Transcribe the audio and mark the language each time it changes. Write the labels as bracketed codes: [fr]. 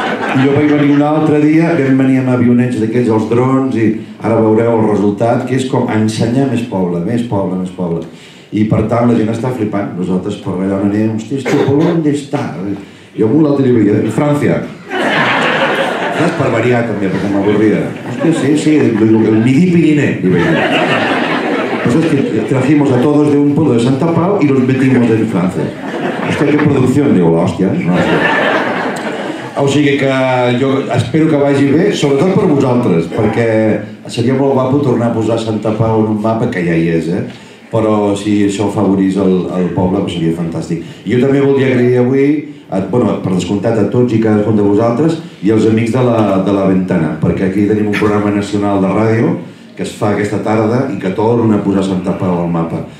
[ca] I jo vaig venir un altre dia, vam venir amb avionets d'aquests, els drons, i ara veureu el resultat, que és com ensenyar més poble, més poble, més poble. i per tant la gent està flipant, nosaltres per allà on anem, hòstia, hòstia, però on està? Jo amb un altre llibre, en França. Saps? Per variar també, perquè m'avorria. Hòstia, sí, sí, el Midi Pirineu, li veia. [es] Pues es que trajimos a todos de un pueblo de Santa Pau y los metimos en Francia. Hostia, qué producción, digo, hostia, no sé. [ca] O sigui que jo espero que vagi bé, sobretot per vosaltres, perquè seria molt guapo tornar a posar Santa Pau en un mapa, que ja hi és, eh? Però si això afavorís el poble, pues seria fantàstic. Jo també voldria agrair avui, bueno, per descomptat, a tots i cadascun de vosaltres i als amics de la Ventana, perquè aquí tenim un programa nacional de ràdio que es fa aquesta tarda i que torna a posar Santa Pau al mapa.